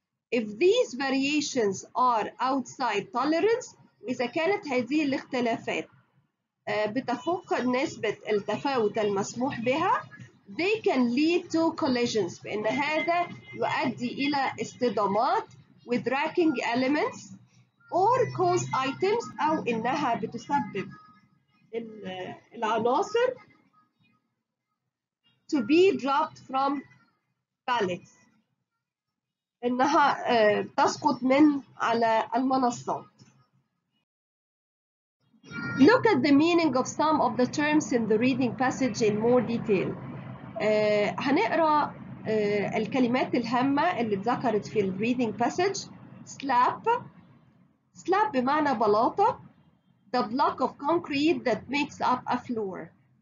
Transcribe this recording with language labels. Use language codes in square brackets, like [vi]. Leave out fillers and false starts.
[en] If these variations are outside tolerance [ar] وإذا كانت هذه الاختلافات بتفوق نسبة التفاوت المسموح بها [en] they can lead to collisions [ar] بأن هذا يؤدي إلى اصطدامات [en] with racking elements or cause items [ar] أو إنها بتسبب العناصر [en] to be dropped from pallets [ar] إنها تسقط من على المنصات. [en] Look at the meaning of some of the terms in the reading passage in more detail. [ar] هنقرأ الكلمات الهامة اللي اتذكرت في الريدنج باسج. [en] Slap. Slap [ar] بمعنى بلاطة. [en] The block of concrete that makes up a floor.